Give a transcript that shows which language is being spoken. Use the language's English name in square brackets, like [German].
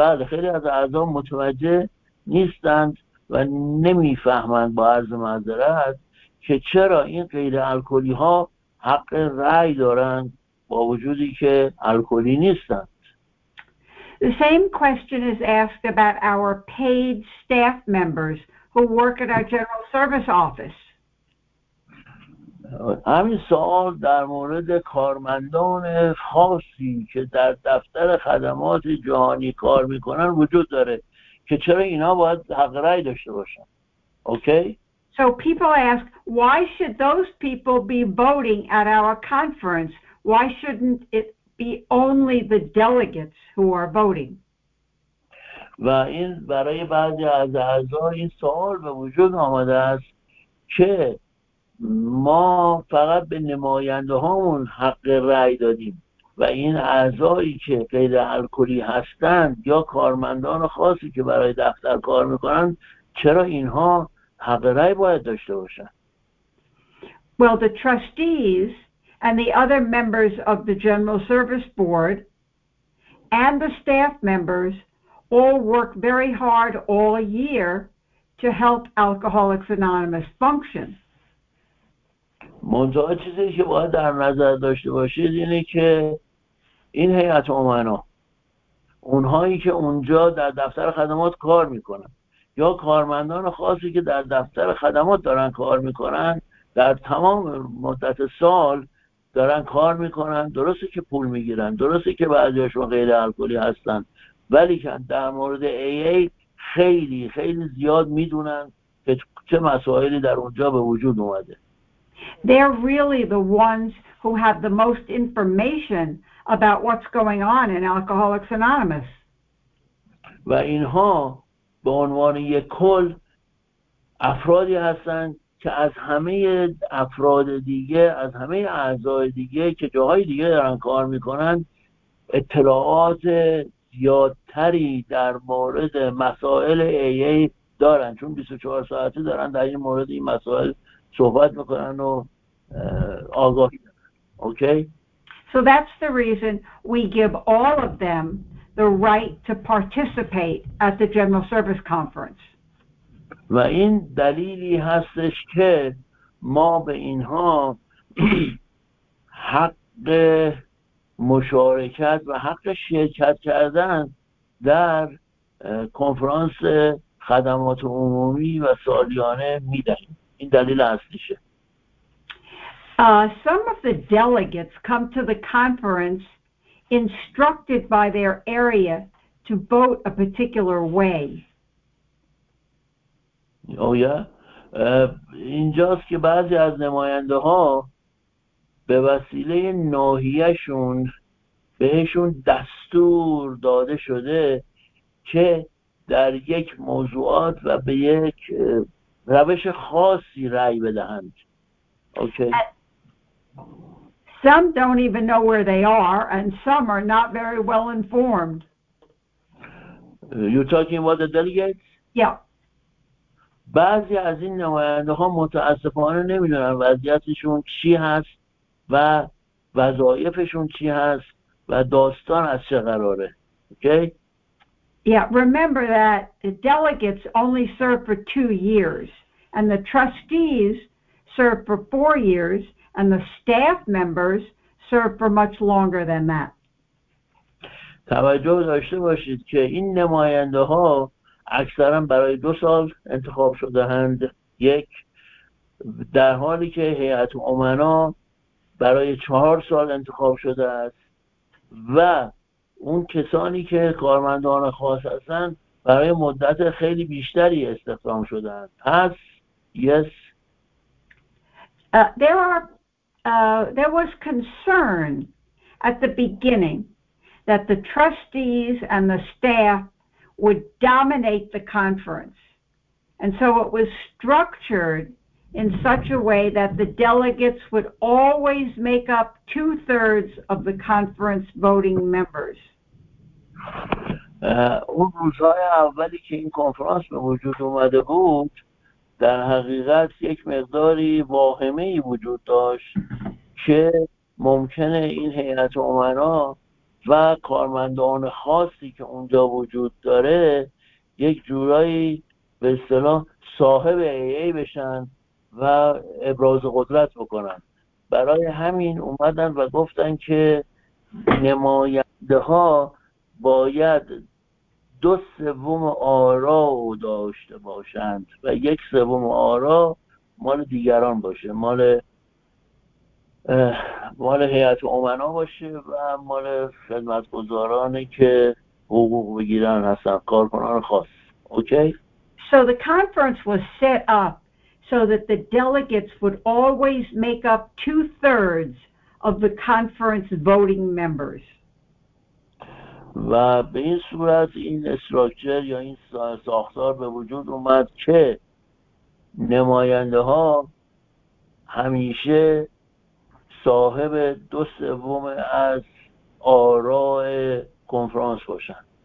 [Persian] خیلی از اعضا متوجه نیستند و نمیفهمند با عرض معذرت که چرا این غیر الکلی ها حق رأی دارند با وجودی که الکلی نیستند. [English] The same question is asked about our paid staff members who work at our general service office. [Persian] همین سوال در مورد کارمندان خاصی که در دفتر خدمات جهانی کار میکنن وجود داره که چرا اینا باید حق رأی داشته باشن. اوکی؟ [English] So people ask, why should those people be voting at our conference? Why shouldn't it be only the delegates who are voting? [Persian] و این برای بعضی از اعضا این سوال به وجود آمده است که ما فقط به نماینده هامون حق رأی دادیم و این اعضایی که غیر الکلی هستند یا کارمندان خاصی که برای دفتر کار میکنند چرا اینها حق رأی باید داشته باشند؟ [English] Well, the trustees and the other members of the General Service Board and the staff members all work very hard all year to help Alcoholics Anonymous function. [Persian] منتها چیزی که باید در نظر داشته باشید اینه که این هیئت امنا اونهایی که اونجا در دفتر خدمات کار میکنن یا کارمندان خاصی که در دفتر خدمات دارن کار میکنن در تمام مدت سال دارن کار میکنن، درسته که پول میگیرن، درسته که بعضی هاشون غیر الکلی هستن، ولی که در مورد AA خیلی خیلی زیاد میدونن که چه مسائلی در اونجا به وجود اومده. [English] They're really the ones who have the most information about what's going on in Alcoholics Anonymous. [Persian] و اینها به عنوان یک کل افرادی هستند که از همه افراد دیگه، از همه اعضای دیگه که جاهای دیگه دارن کار میکنن اطلاعات زیادتری در مورد مسائل AA دارن، چون 24 ساعته دارن در این مورد این مسائل صحبت میکنن و آگاهی دارن. اوکی؟ [English] So that's the reason we give all of them the right to participate at the General Service Conference. [Persian] و این دلیلی هستش که ما به اینها حق مشارکت و حق شرکت کردن در کنفرانس خدمات عمومی و سالیانه میدهیم. این دلیل اصلیشه. [English] Some of the delegates come to the conference instructed by their area to vote a particular way. Oh yeah. [Persian] اینجاست که بعضی از نماینده ها به وسیله ناحیه‌شون بهشون دستور داده شده که در یک موضوعات و به یک روش خاصی رأی بدهند. Okay. [English] Some don't even know where they are and some are not very well informed. You're talking about the delegates? Yeah. [Persian] بعضی از این نماینده ها متاسفانه نمیدونن وضعیتشون چی هست و وظایفشون چی هست و داستان از چه قراره. Okay? [English] Yeah, remember that the delegates only serve for 2 years and the trustees serve for 4 years and the staff members serve for much longer than that. [Persian] توجه داشته باشید که این نماینده ها اکثرا برای 2 سال انتخاب شده هند. یک، در حالی که هیئت امنا برای 4 سال انتخاب شده است و اون کسانی که کارمندان خاص هستند برای مدت خیلی بیشتری استخدام شده هند. پس yes. [English] There was concern at the beginning that the trustees and the staff would dominate the conference. And so it was structured in such a way that the delegates would always make up 2/3 of the conference voting members. [Persian] اون روزهای اولی که این کنفرانس به وجود اومده بود در حقیقت یک مقداری واهمه‌ای وجود داشت که ممکنه این هیئت امنا و کارمندان خاصی که اونجا وجود داره یک جورایی به اصطلاح صاحب ای بشن و ابراز قدرت بکنن. برای همین اومدن و گفتن که نماینده ها باید 2/3 آرا داشته باشند و 1/3 آرا مال دیگران باشه، مال هیئت امنا باشه و مال خدمتگزارانی که حقوق بگیرن هستن، کارکنان خاص. اوکی؟ [English] So the conference was set up so that the delegates would always make up 2/3 of the conference voting members. [Persian] و به این صورت این استراکچر یا این ساختار به وجود اومد که نماینده ها همیشه صاحب 2/3 از آراء کنفرانس باشن.